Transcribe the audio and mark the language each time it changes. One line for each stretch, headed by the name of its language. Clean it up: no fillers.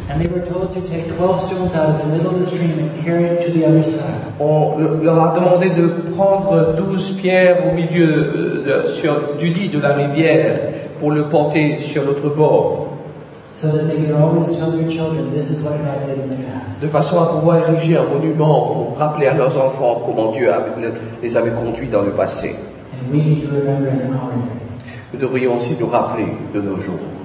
English: And they were told to take 12 stones out of the middle of the stream and carry it to the other side.
French: On leur a demandé de prendre 12 pierres au milieu du lit de la rivière pour le porter sur l'autre bord.
English: So that they could always tell their children this is what God did in the past.
French: De façon à pouvoir ériger un monument pour rappeler à leurs enfants comment Dieu les avait conduits dans le passé.
English: And we need to remember in our day.
French: Nous devrions aussi nous rappeler de nos jours.